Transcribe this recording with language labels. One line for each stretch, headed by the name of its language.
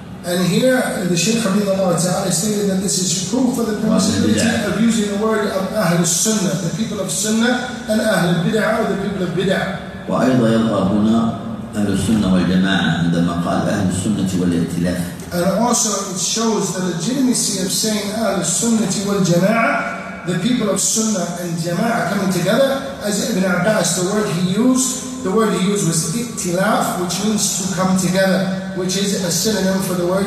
English: And here the Shaykh Habibullah Ta'ala stated that this is proof for the possibility of using the word of أهل السنة, the people of Sunnah, and أهل البدع or the people of بدع.
Arabic: وأيضا يظهر هنا أهل السنة والجماعة عندما قال أهل السنة والائتلاف.
English: And also it shows the legitimacy of saying
Arabic: أهل السنة والجماعة,
English: the people of Sunnah and Jama'ah coming together, as Ibn Abbas, the word he used was ittilaf, which means to come together, which is a synonym for the word